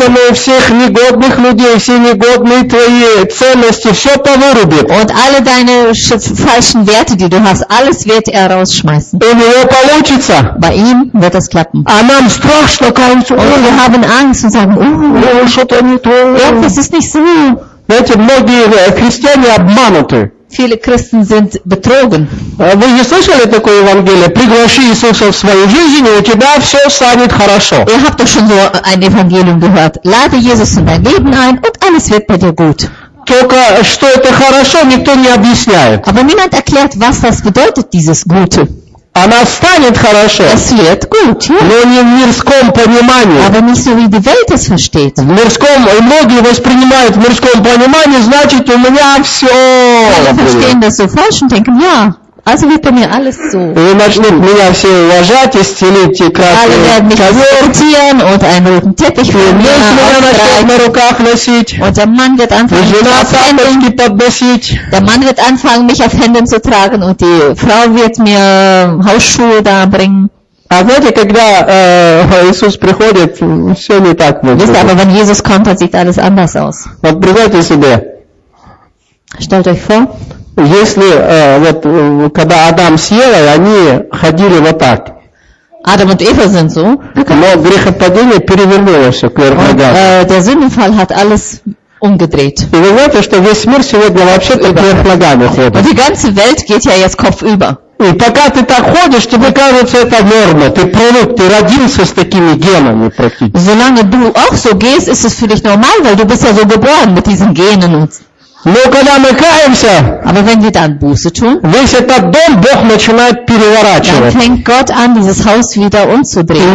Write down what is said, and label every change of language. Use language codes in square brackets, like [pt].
[de] Und alle deine falschen Werte, die du hast, alles wird er rausschmeißen. Bei ihm wird das klappen. Und wir haben Angst und sagen, das ist nicht so. [ru] Знаете, многие христиане обмануты. [de] Viele Christen sind betrogen. [ru] Вы же слышали такое Евангелие? Пригласи Иисуса в свою жизнь, и у тебя все станет хорошо. [de] Ihr habt doch schon so ein Evangelium gehört. Lade Jesus in dein Leben ein, und alles wird bei dir gut. [ru] Только что это хорошо, никто не объясняет. [de] Aber niemand erklärt, was das bedeutet, dieses Gute. [ru] Она станет хорошо. [de] Es wird gut, ja. [ru] Но не в мирском понимании. [de] Aber nicht so, wie die Welt es versteht. [ru] В мирском, и многие воспринимают в мирском понимании, значит, у меня все. [de] Alle verstehen das so falsch und denken, ja, also wird bei mir alles so. [ru] И начнут меня все уважать и стелить, и красный ковер. [de] Alle werden mich respektieren und einen roten Teppich für mich ausreichen. Und der Mann wird anfangen, mich auf Händen zu tragen. Und der Mann wird anfangen, mich auf Händen zu tragen. Der Mann wird anfangen, mich auf Händen zu tragen. Und die Frau wird mir Hausschuhe da bringen. [ru] А знаете, когда Иисус приходит, все не так. [de] Wisst ihr, aber wenn Jesus kommt, dann sieht alles anders aus. [ru] Вот представьте себе. [de] Stellt euch vor. [ru] Если вот когда Адам с Евой, они ходили вот так. [de] Adam und Eva sind so. [ru] Но грехопадение перевернулось кверху ногами. [de] Der Sündenfall hat alles umgedreht. [ru] И вы знаете, что весь мир сегодня вообще-то кверху ногами ходит. [de] Die ganze Welt geht ja jetzt kopfüber. [ru] И пока ты так ходишь, тебе кажется, это норма. Ты привык, ты родился с такими генами практически. [de] Solange du auch so gehst, ist es für dich normal, weil du bist ja so geboren mit diesen Genen. [ru] Но когда мы каемся, [de] aber wenn wir dann Buße tun, [ru] весь этот дом Бог начинает переворачивать. [de] Dann fängt Gott an, dieses Haus wieder umzudrehen.